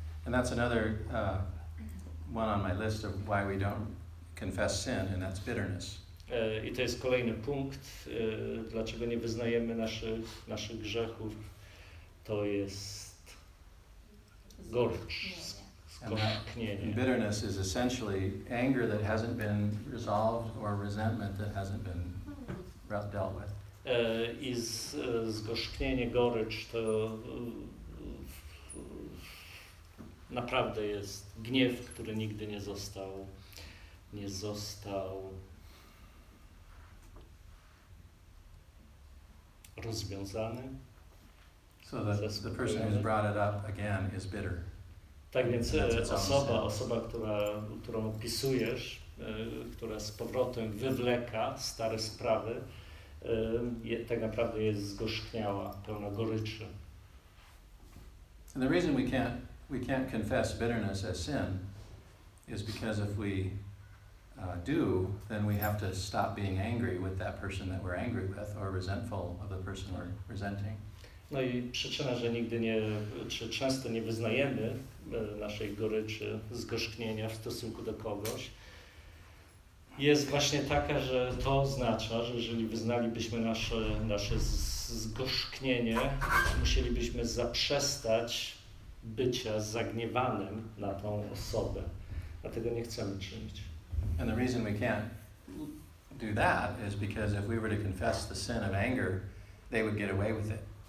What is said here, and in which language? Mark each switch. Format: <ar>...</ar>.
<en>And that's another one on my list of why we don't confess sin, and that's bitterness.</en> <pl>I to jest kolejny punkt, dlaczego nie wyznajemy naszych grzechów. To jest gorycz, skorzknienie.</pl> <en>Bitterness is essentially anger that hasn't been resolved or resentment that hasn't been dealt with.</en> <pl>i zgorzknienie, gorycz to naprawdę jest gniew, który nigdy nie został rozwiązany.</pl> <en>So the person who's brought it up again is bitter.</en> <pl>Tak więc osoba, którą opisujesz, która z powrotem wywleka stare sprawy, tak naprawdę jest zgorzkniała, pełna goryczy.</pl> <en>And the reason we can't confess bitterness as sin is because if we do, then we have to stop being angry with that person that we're angry with or resentful of the person we're resenting.</en> <pl>No i przyczyna, że nigdy nie, czy często nie wyznajemy naszej goryczy, zgorzknienia w stosunku do kogoś, jest właśnie taka, że to oznacza, że jeżeli wyznalibyśmy nasze zgorzknienie, musielibyśmy zaprzestać bycia zagniewanym na tą osobę. A tego nie chcemy czynić.</pl> <en>And the reason we can't do that is because if we were to confess the sin of anger, they would get away with it.</en>